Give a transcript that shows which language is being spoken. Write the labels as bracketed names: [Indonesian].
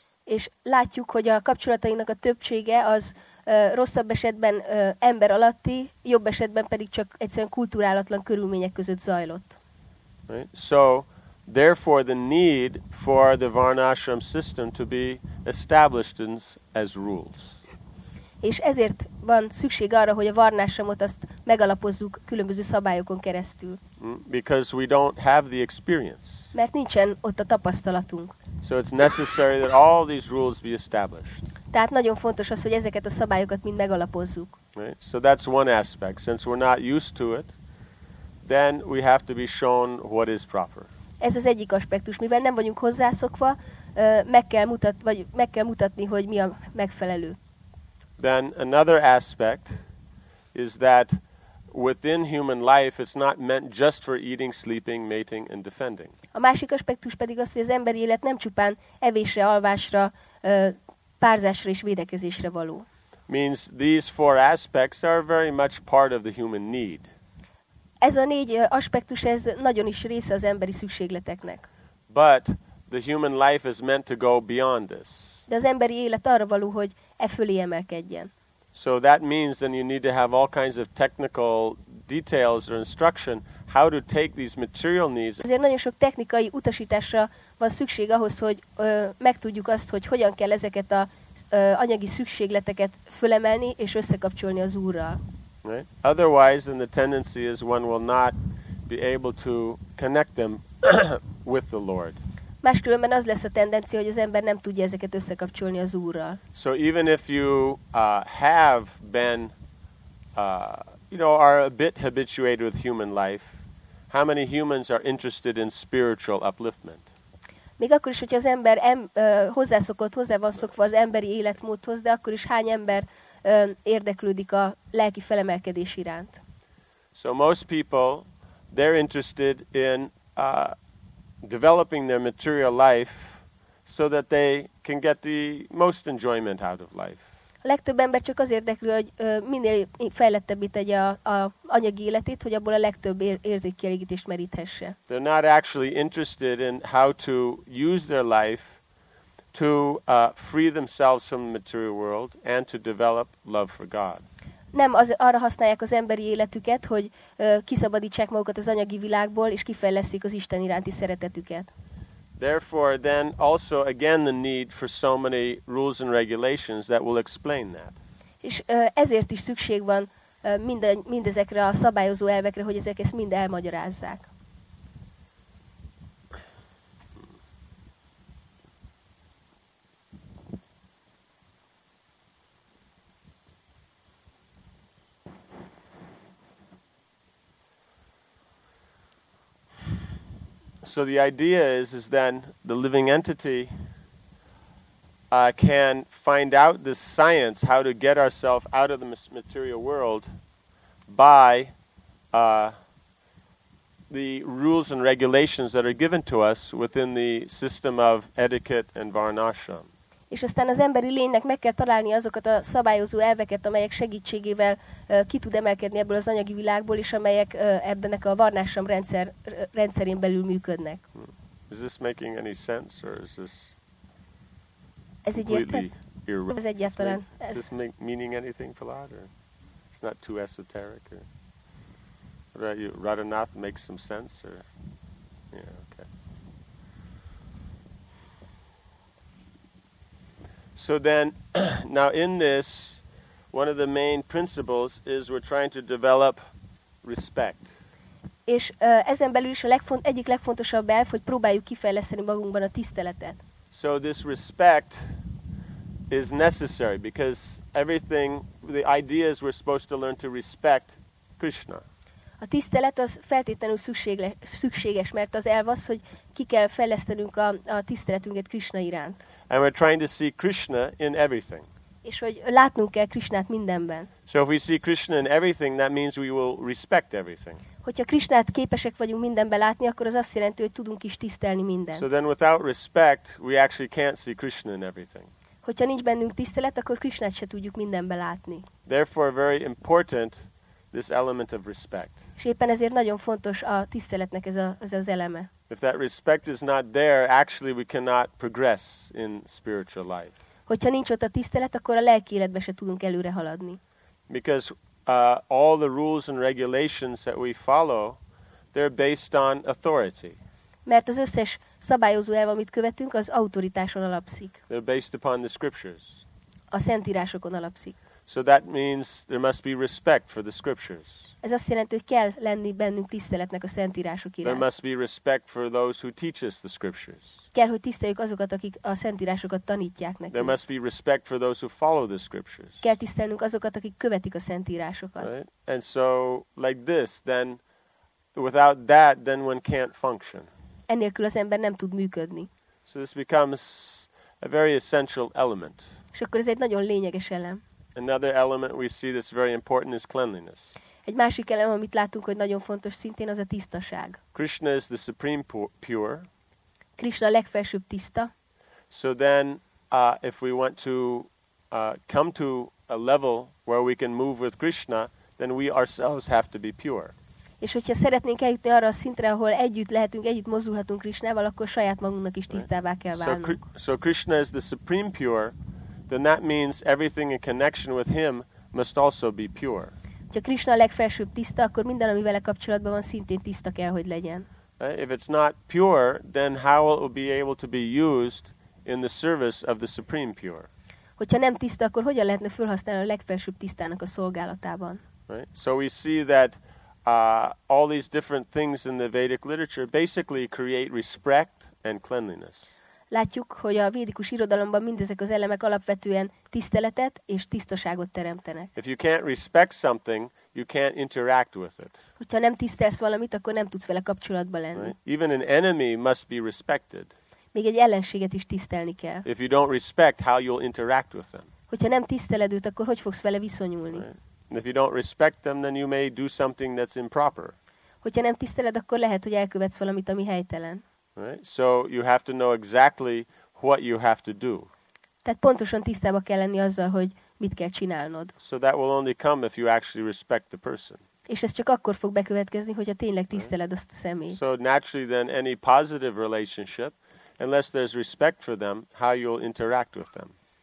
[Hungarian] És látjuk, hogy a kapcsolatainknak a többsége az rosszabb esetben ember alatti, jobb esetben pedig csak egyszerűen kulturálatlan körülmények között zajlott. [English] Right? So therefore the need for the varnashram system to be established as rules. [Hungarian] És ezért van szükség arra, hogy a varnásramot azt megalapozzuk különböző szabályokon keresztül. [English] Because we don't have the experience. [Hungarian] Mert nincsen ott a tapasztalatunk. [English] So it's necessary that all these rules be established. [Hungarian] Tehát nagyon fontos az, hogy ezeket a szabályokat mind megalapozzuk. [English] Right? So that's one aspect. Since we're not used to it, then we have to be shown what is proper. [Hungarian] Ez az egyik aspektus. Mivel nem vagyunk hozzászokva, meg kell mutatni, hogy mi a megfelelő. [English] Then another aspect is that within human life it's not meant just for eating, sleeping, mating and defending. [Hungarian] A másik aspektus pedig az, hogy az emberi élet nem csupán evésre, alvásra, párzásra és védekezésre való. [English] Means these four aspects are very much part of the human need. [Hungarian] Ez a négy aspektus ez nagyon is része az emberi szükségleteknek. [English] But the human life is meant to go beyond this. [Hungarian] De az emberi élet arra való, hogy e fölé emelkedjen. [English] So that means then you need to have all kinds of technical details or instruction how to take these material needs. [Hungarian] Ezért nagyon sok technikai utasításra van szükség ahhoz, hogy megtudjuk azt, hogy hogyan kell ezeket a anyagi szükségleteket fölemelni és összekapcsolni az Úrral. [English] Right? Otherwise, then the tendency is one will not be able to connect them with the Lord. [Hungarian] Máskülönben az lesz a tendencia, hogy az ember nem tudja ezeket összekapcsolni az Úrral. [English] So even if you have been you know, are a bit habituated with human life, how many humans are interested in spiritual upliftment? [Hungarian] Még akkor is, hogy az ember hozzászokott, hozzá van szokva az emberi életmódhoz, de akkor is hány ember érdeklődik a lelki felemelkedés iránt? [English] So most people, they're interested in developing their material life so that they can get the most enjoyment out of life. [Hungarian] A legtöbb ember csak az érdeklő, hogy minél fejlettebbé tegye a anyagi életét, hogy abból a legtöbb érzékkielégítést meríthesse. [English] They're not actually interested in how to use their life to free themselves from the material world and to develop love for God. [Hungarian] Nem az, arra használják az emberi életüket, hogy kiszabadítsák magukat az anyagi világból, és kifejlesszék az Isten iránti szeretetüket. [English] Therefore, then also again the need for so many rules and regulations that will explain that. [Hungarian] És ezért is szükség van mindezekre a szabályozó elvekre, hogy ezek ezt mind elmagyarázzák. [English] So the idea is then the living entity can find out the science how to get ourselves out of the material world by the rules and regulations that are given to us within the system of etiquette and varnashram. [Hungarian] És aztán az emberi lénynek meg kell találni azokat a szabályozó elveket, amelyek segítségével ki tud emelkedni ebből az anyagi világból, és amelyek ebbenek a varnásom rendszerén belül működnek. [English] Is this making any sense, or is this [Hungarian] ez így [English] completely irrelevant? [Hungarian] Ez egyáltalán. [English] Is this meaning anything for Lord, or it's not too esoteric? Or what about you? Radhanath makes some sense, or yeah, okay. So then, now in this, one of the main principles is we're trying to develop respect. [Hungarian] És ezen belül is a egyik legfontosabb elv, hogy próbáljuk kifejleszteni magunkban a tiszteletet. [English] So this respect is necessary because everything, the idea is we're supposed to learn to respect Krishna. [Hungarian] A tisztelet az feltétlenül szükséges, mert az elv az, hogy ki kell fejlesztenünk a tiszteletünket Krishna iránt. [English] And we're trying to see Krishna in everything. [Hungarian] És hogy látnunk kell Krishnát mindenben. [English] So if we see Krishna in everything, that means we will respect everything. [Hungarian] Hogyha Krishnát képesek vagyunk mindenben látni, akkor az azt jelenti, hogy tudunk is tisztelni mindent. [English] So then without respect, we actually can't see Krishna in everything. [Hungarian] Hogyha nincs bennünk tisztelet, akkor Krishnát se tudjuk mindenben látni. [English] Therefore very important this element of respect. [Hungarian] És éppen ezért nagyon fontos a tiszteletnek ez az eleme. [English] If that respect is not there, actually we cannot progress in spiritual life. [Hungarian] Hogyha nincs ott a tisztelet, akkor a lelki életben se tudunk előre haladni. [English] Because all the rules and regulations that we follow, they're based on authority. [Hungarian] Mert az összes szabályozó elv, amit követünk, az autoritáson alapszik. [English] They're based upon the scriptures. [Hungarian] A szentírásokon alapszik. [English] So that means there must be respect for the scriptures. [Hungarian] Ez azt jelenti, hogy kell lenni bennünk tiszteletnek a szentírások iránt. [English] There must be respect for those who teach us the scriptures. [Hungarian] Kell, hogy tiszteljük azokat, akik a szentírásokat tanítják nekünk. [English] There must be respect for those who follow the scriptures. [Hungarian] Kell tisztelnünk azokat, akik követik a szentírásokat. [English] Right? And so like this, then without that, then one can't function. [Hungarian] Ennélkül az ember nem tud működni. [English] So this becomes a very essential element. [Hungarian] És akkor ez egy nagyon lényeges elem. [English] Another element we see that's very important is cleanliness. [Hungarian] Egy másik elem, amit látunk, hogy nagyon fontos szintén, az a tisztaság. [English] Krishna is the supreme pure. [Hungarian] Krishna a legfelsőbb tiszta. [English] So then, if we want to come to a level where we can move with Krishna, then we ourselves have to be pure. [Hungarian] És hogyha szeretnénk eljutni arra a szintre, ahol együtt lehetünk, együtt mozdulhatunk Krishnával, akkor saját magunknak is tisztává kell válnunk. [English] So Krishna is the supreme pure, then that means everything in connection with him must also be pure. [Hungarian] Ha Krishna a legfelsőbb tiszta, akkor minden, ami vele kapcsolatban van, szintén tiszta kell, hogy legyen. [English] If it's not pure, then how will it be able to be used in the service of the supreme pure? [Hungarian] Hogyha nem tiszta, akkor hogyan lehetne felhasználni a legfelsőbb tisztának a szolgálatában? [English] Right? So we see that all these different things in the Vedic literature basically create respect and cleanliness. [Hungarian] Látjuk, hogy a védikus irodalomban mindezek az elemek alapvetően tiszteletet és tisztaságot teremtenek. [English] If you can't respect something, you can't interact with it. [Hungarian] Hogyha nem tisztelsz valamit, akkor nem tudsz vele kapcsolatban lenni. [English] Right? Even an enemy must be respected. [Hungarian] Még egy ellenséget is tisztelni kell. [English] If you don't respect, how you'll interact with them. [Hungarian] Hogyha nem tiszteled őt, akkor hogy fogsz vele viszonyulni? [English] Right? And if you don't respect them, then you may do something that's improper. [Hungarian] Hogyha nem tiszteled, akkor lehet, hogy elkövetsz valamit, ami helytelen. [English] Right? So you have to know exactly what you have to do. [Hungarian] Tehát pontosan tisztába kell lenni azzal, hogy mit kell csinálnod. [English] So that will only come if you actually respect the person. [Hungarian] És ez csak akkor fog bekövetkezni, hogyha tényleg tiszteled azt a személyt. [English] So naturally then any positive relationship, unless there's respect for them, how you'll interact with them.